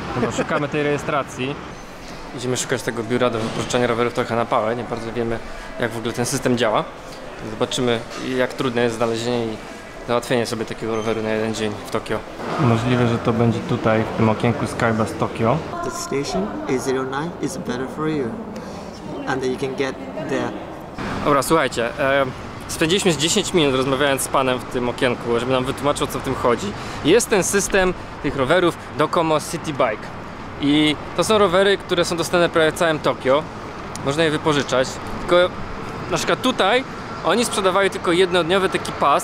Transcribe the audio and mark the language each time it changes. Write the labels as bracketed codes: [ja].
[pl] Chyba szukamy tej rejestracji. Idziemy szukać tego biura do wypożyczania rowerów trochę na pałę. Nie bardzo wiemy, jak w ogóle ten system działa. Zobaczymy, jak trudne jest znalezienie i załatwienie sobie takiego roweru na jeden dzień w Tokio. Możliwe, że to będzie tutaj, w tym okienku Skybus Tokio. [en] The station A09 is better for you. And you can get there. [pl] Dobra, słuchajcie. Spędziliśmy 10 minut rozmawiając z panem w tym okienku, żeby nam wytłumaczył, co w tym chodzi. Jest ten system tych rowerów Docomo City Bike. I to są rowery, które są dostępne prawie w całym Tokio. Można je wypożyczać. Tylko na przykład tutaj oni sprzedawali tylko jednodniowy taki pas.